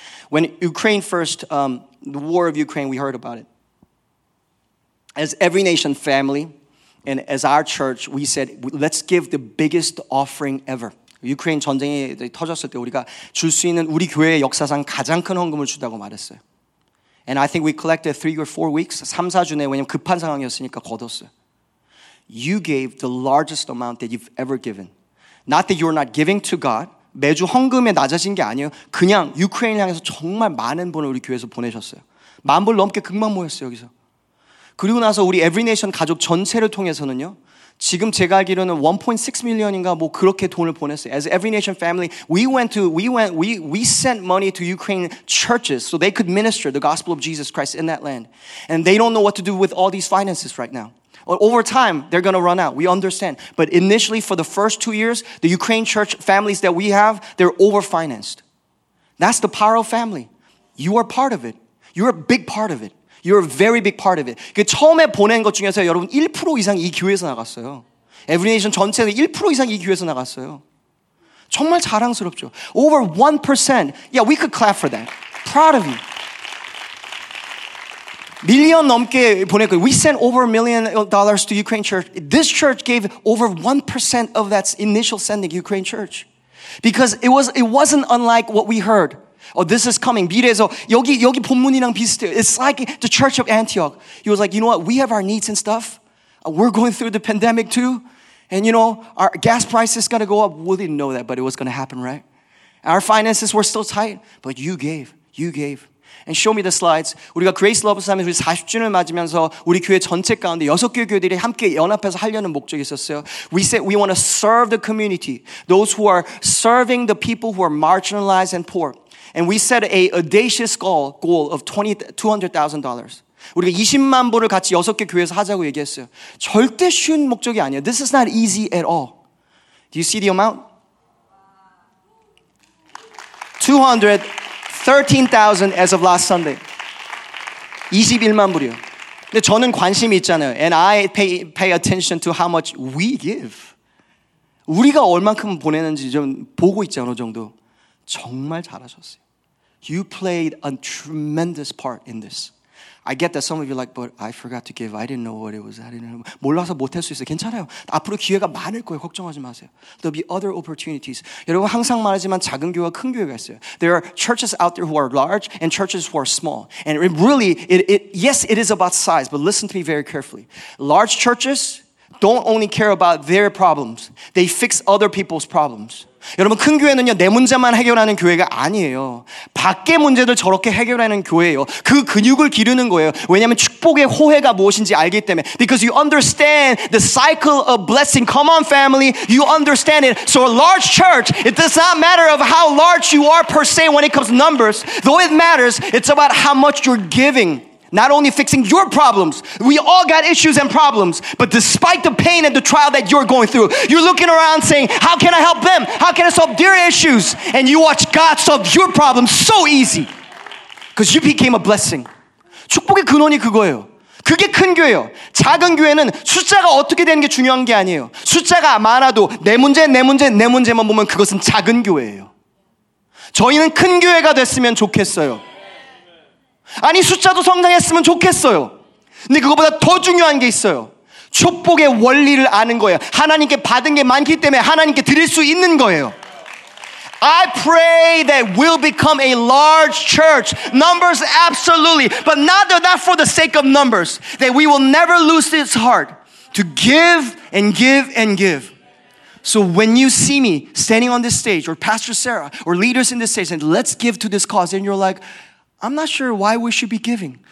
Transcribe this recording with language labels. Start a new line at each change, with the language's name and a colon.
English: When Ukraine first, the war of Ukraine, we heard about it. As every nation family, and as our church, we said, let's give the biggest offering ever.
Korean: Ukraine 전쟁이 터졌을 때 우리가 줄 수 있는 우리 교회의 역사상 가장 큰 헌금을 주다고 말했어요.
English: And I think we collected 3 or 4 weeks,
Korean: 3-4주 내에 왜냐면 급한 상황이었으니까 거뒀어요.
English: You gave the largest amount that you've ever given. Not that you're not giving to God.
Korean: 매주 헌금에 낮아진 게 아니에요. 그냥 유크레인 향해서 정말 많은 분을 우리 교회에서 보내셨어요. 만 불 넘게 금방 모였어요, 여기서. 그리고 나서 우리 Every Nation 가족 전체를 통해서는요. 지금 제가 알기로는 1.6 million인가 뭐 그렇게 돈을 보냈어요.
English: As Every Nation family, we sent money to Ukraine churches so they could minister the gospel of Jesus Christ in that land. And they don't know what to do with all these finances right now. Over time, they're going to run out. We understand. But initially, for the first 2 years, the Ukraine church families that we have, they're over-financed. That's the power of family. You are part of it. You're a big part of it. You're a very big part of it.
Korean: 그 처음에 보낸 것 중에서 여러분 1% 이상 이 교회에서 나갔어요. Every Nation 전체에서 1% 이상 이 교회에서 나갔어요. 정말 자랑스럽죠.
English: Over 1%. Yeah, we could clap for that. Proud of you.
Korean: 1년 넘게 보내고
English: we sent over $1 million to Ukraine church. This church gave over 1% of that initial sending Ukraine church. Because it wasn't unlike what we heard. Oh, this is coming.
Korean: 미래에서 여기 본문이랑 비슷해요.
English: It's like the church of Antioch. He was like, you know what? We have our needs and stuff. We're going through the pandemic too. And you know, our gas price is going to go up. We didn't know that, but it was going to happen, right? Our finances were still tight, but you gave. And show me the slides.
Korean: 우리가 Grace Love Summit 우리 40주년을 맞으면서 우리 교회 전체 가운데 여섯 개 교회들이 함께 연합해서 하려는 목적이 있었어요.
English: We said we want to serve the community. Those who are serving the people who are marginalized and poor. And we set an audacious goal of $200,000. 우리가 20만 불을 같이 여섯 개 교회에서 하자고 얘기했어요. 절대 쉬운 목적이 아니에요. This is not easy at all. Do you see the amount? $213,000 as of last Sunday.
Korean: 21만 불이요. 근데 저는 관심이 있잖아요.
English: And I pay attention to how much we give.
Korean: 우리가 얼만큼 보내는지 좀 보고 있지 어느 정도. 정말 잘하셨어요.
English: You played a tremendous part in this. I get that some of you are like, but I forgot to give. I didn't know what it was. I didn't know.
Korean: 몰라서 못할 수 있어요. 괜찮아요. 앞으로 기회가 많을 거예요. 걱정하지 마세요.
English: There'll be other opportunities.
Korean: 여러분 항상 말하지만 작은 교회와 큰 교회가 있어요.
English: There are churches out there who are large and churches who are small. And really, it is about size, but listen to me very carefully. Large churches don't only care about their problems. They fix other people's problems.
Korean: 여러분 큰 교회는요 내 문제만 해결하는 교회가 아니에요. 밖에 문제도 저렇게 해결하는 교회예요. 그 근육을 기르는 거예요. 왜냐하면 축복의 호혜가 무엇인지 알기 때문에.
English: Because you understand the cycle of blessing. Come on, family, you understand it. So a large church, it does not matter of how large you are per se when it comes to numbers. Though it matters, it's about how much you're giving. Not only fixing your problems, we all got issues and problems, but despite the pain and the trial that you're going through, you're looking around saying, how can I help them? How can I solve their issues? And you watch God solve your problems so easy because you became a blessing.
Korean: 축복의 근원이 그거예요. 그게 큰 교회예요. 작은 교회는 숫자가 어떻게 되는 게 중요한 게 아니에요. 숫자가 많아도 내 문제만 보면 그것은 작은 교회예요. 저희는 큰 교회가 됐으면 좋겠어요. 아니 숫자도 성장했으면 좋겠어요. 근데 그것보다 더 중요한 게 있어요. 축복의 원리를 아는 거예요. 하나님께 받은 게 많기 때문에 하나님께 드릴 수 있는 거예요.
English: I pray that we'll become a large church. Numbers absolutely. But not for the sake of numbers. That we will never lose its heart to give and give and give. So when you see me standing on this stage or Pastor Sarah or leaders in this stage and let's give to this cause and you're like, I'm not sure why we should be giving.